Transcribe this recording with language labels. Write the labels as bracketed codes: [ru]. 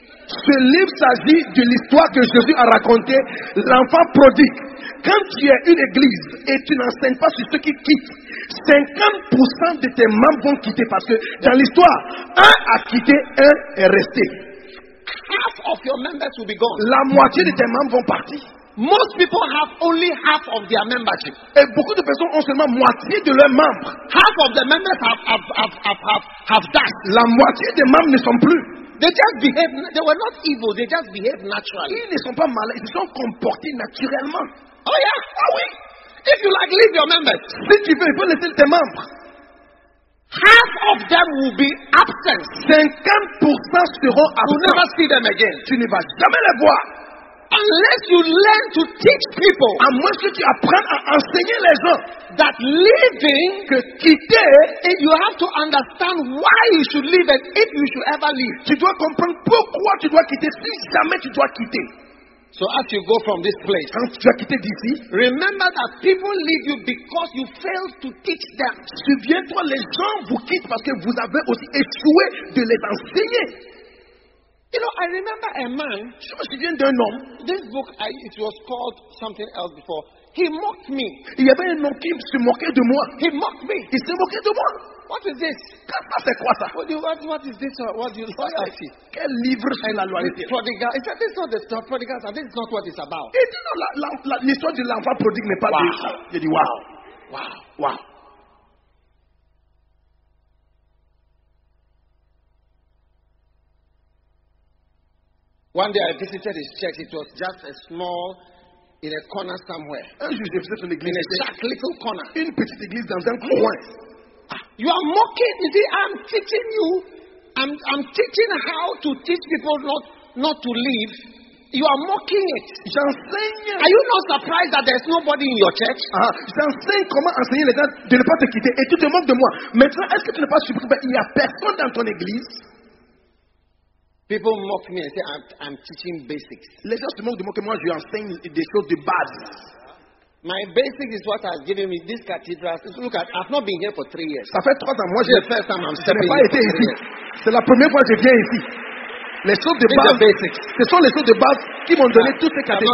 [fr] Ce livre s'agit de l'histoire que Jésus a racontée, l'enfant prodigue. Quand tu es une église et tu n'enseignes pas sur ceux qui quittent, 50% de tes membres vont quitter parce que dans l'histoire, un a quitté, un est resté. [en] Half of your members will be gone. [fr] La moitié de tes membres vont partir. [en] Most people have only half of their membership. [fr] Et beaucoup de personnes ont seulement moitié de leurs membres. [en] Half of the members have died. [fr] La moitié des membres ne sont plus. [en] They just behave. They were not evil. They just behave naturally. [fr] Ils ne sont pas malins. Ils sont comportés naturellement. [en] Oh yeah. [fr] Oh oui. [en] If you like, leave your members. [fr] Si tu veux, il faut laisser tes membres. [en] Half of them will be absent. [fr] 50% seront absents. [en] You'll never see them again. [fr] Tu ne vas jamais les voir. [en] Unless you learn to teach people, [fr] à moins que tu apprennes à enseigner les gens, [en] that leaving, [fr] que quitter, [en] and you have to understand why you should leave and if you should ever leave. [fr] Tu dois comprendre pourquoi tu dois quitter, si jamais tu dois quitter. [en] So as you go from this place, [fr] quand tu as quitté d'ici, [en] remember that people leave you because you failed to teach them. [fr] Souviens-toi, les gens vous quittent parce que vous avez aussi échoué de les enseigner. [en] You know, I remember a man. [fr] Je me souviens d'un homme. [en] This book, it was called something else before. He mocked me. [fr] Il y avait un homme qui se moquait de moi. [en] He mocked me. [fr] Il se moquait de moi. [en] What is this? [fr] C'est quoi ça? [en] What is this? What do you loyalty? [fr] Quel livre est la loyauté? [en] Prodigal. He said, this is not the story. Prodigal. This is not what it's about. [fr] Et dis-nous, l'histoire de l'enfant prodigue n'est pas wow. De ça. J'ai dit, wow. Wow. Wow. [en] One day I visited his church. It was just a small, in a corner somewhere. [fr] Un jour j'ai visité son église. [en] In a dark little corner. [fr] Une petite église dans un coin. [en] You are mocking. You see, I'm teaching you. I'm teaching how to teach people not to leave. You are mocking it. [fr] J'enseigne. [en] Are you not surprised that there's nobody in your church? [fr] J'enseigne comment enseigner les gens de ne pas te quitter et tu te moques de moi. Maintenant, est-ce que tu n'es pas surpris qu'il n'y a personne dans ton église? [en] People mock me and say I'm teaching basics. [fr] Les gens se moquent de moi que moi je enseigne des choses de base. [en] My basic is what has given me this cathedral. Look at, I've not been here for 3 years. [fr] Ça fait 3 ans. Moi, c'est la première fois que je n'ai pas été ici. C'est la première fois que je viens ici. Les choses de base, [en] basics. [fr] Ce sont les choses de base qui m'ont donné toutes ces cathédrales.